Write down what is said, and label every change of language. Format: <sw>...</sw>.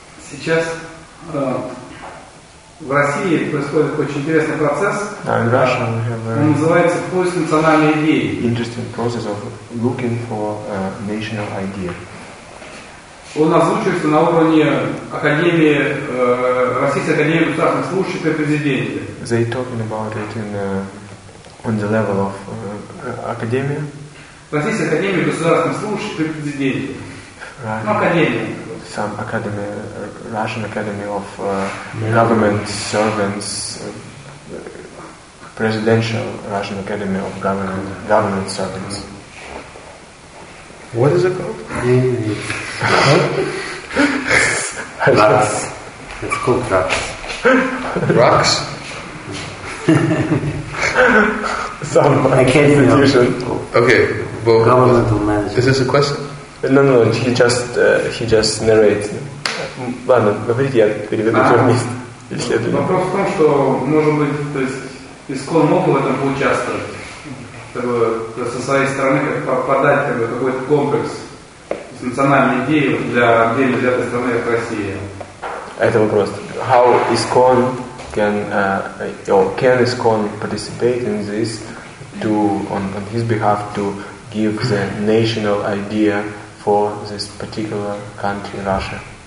<ru>Сейчас в России происходит очень интересный процесс.</ru> <en>In Russia, we have</en> <ru>он называется поиск национальной идеи.</ru> <en>Interesting process of looking for a national idea.</en> <ru>Он озвучивается на уровне Академии Российской Академии государственных служащих при президенте.</ru> <en>They talking about it in on the level of Академия.</en> <ru>Российская Академия государственных служащих при президенте.</ru> <en>Right.</en> <ru>Академия.</ru> <en>Some Academy, Russian Academy of Government Servants, Presidential Russian Academy of Government Servants. What is it called? Rocks. It's called Rocks. Rocks? Some institution. Okay. Governmental management. Is this a question? No, he just narrates.</en> <ru>Ладно, говорите, я переведу тебя вместе. Вопрос в том, что, может быть, то есть Искон мог в этом поучаствовать, чтобы со своей стороны как подать как бы, какой-то комплекс с национальной идеей для отдельно взятой страны, как Россия. Это вопрос.</ru> <en>How Искон can or can Искон participate in this to on his behalf to give the national idea for this particular country, Russia?</en>